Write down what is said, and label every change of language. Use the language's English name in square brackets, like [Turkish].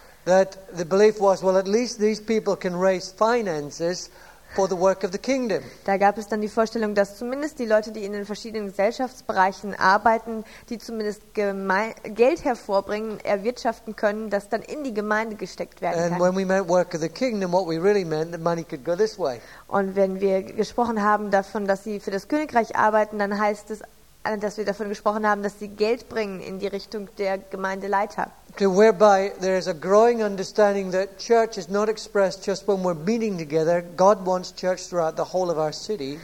[English] That the belief was, well, at least these people can raise finances for the work of the kingdom. [German] Da gab es dann die Vorstellung, dass zumindest die Leute, die in den verschiedenen Gesellschaftsbereichen arbeiten, die zumindest Geld hervorbringen, erwirtschaften können, das dann in die Gemeinde gesteckt werden kann. [English] And when we meant work of the kingdom, what we really meant, that money could go this way. [German] Und wenn wir gesprochen haben davon, dass sie für das Königreich arbeiten, dann heißt es, dass wir davon gesprochen haben, dass sie Geld bringen in die Richtung der Gemeindeleiter. [English] To whereby there is a growing understanding that church is not expressed just when we're meeting together. God wants church throughout the whole of our city.